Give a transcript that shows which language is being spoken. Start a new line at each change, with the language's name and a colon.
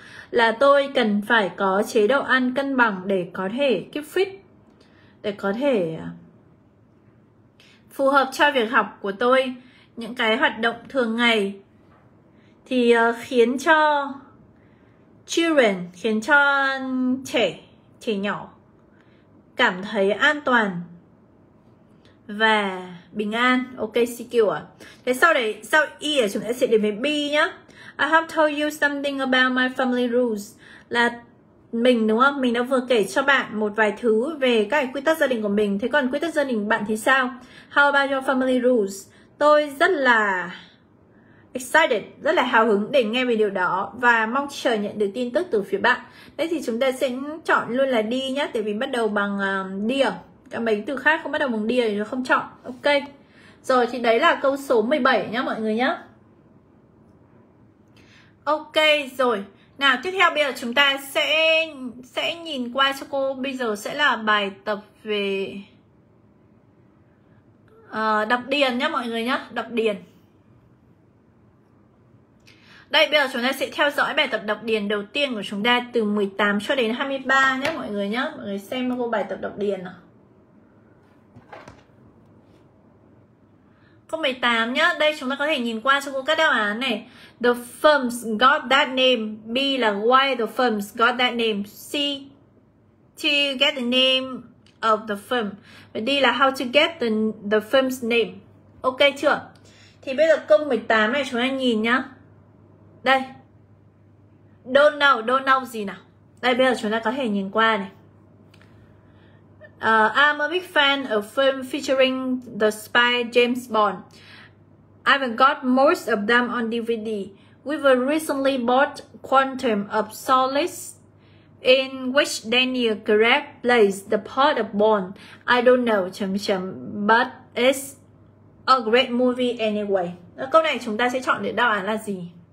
Vietnamese: Là tôi cần phải có chế độ ăn cân bằng để có thể keep fit, để có thể phù hợp cho việc học của tôi, những cái hoạt động thường ngày. Thì khiến cho Children khiến cho trẻ, trẻ nhỏ cảm thấy an toàn và bình an. Ok, secure. Thế sau đấy, sau E chúng ta sẽ đến với B nhá.
English: I have told you something about my family rules.
Vietnamese: Là mình đúng không? Mình đã vừa kể cho bạn một vài thứ về các quy tắc gia đình của mình. Thế còn quy tắc gia đình bạn thì sao?
English: How about your family rules?
Vietnamese: Tôi rất là excited, rất là hào hứng để nghe về điều đó và mong chờ nhận được tin tức từ phía bạn. Thế thì chúng ta sẽ chọn luôn là đi nhá, tại vì bắt đầu bằng đi à. Cả mấy từ khác không bắt đầu bằng đi thì không chọn. Ok. Rồi thì đấy là câu số 17 nhá mọi người nhá. Ok, rồi. Nào, tiếp theo bây giờ chúng ta sẽ nhìn qua cho cô, bây giờ sẽ là bài tập về đọc điền nhá mọi người nhá, đọc điền. Đây, bây giờ chúng ta sẽ theo dõi bài tập đọc điền đầu tiên của chúng ta từ 18 cho đến 23 nhé mọi người nhé. Mọi người xem cô bài tập đọc điền nào. Câu 18 nhé, đây chúng ta có thể nhìn qua cho cô các đáp án này.
English: The firms got that name. B là why the firms got that name. C, to get the name of the firm.
Vietnamese: Và D là
English: how to get the firm's name.
Vietnamese: Ok chưa? Thì bây giờ câu 18 này chúng ta nhìn nhé. Đây, don't know gì nào. Đây, bây giờ chúng ta có thể nhìn qua này.
English: I'm a big fan of film featuring the spy James Bond. I've got most of them on DVD. We've recently bought Quantum of Solace, in which Daniel Craig plays the part of Bond. I don't know, but it's a great movie anyway.
Vietnamese: Câu này chúng ta sẽ chọn để đáp án là gì?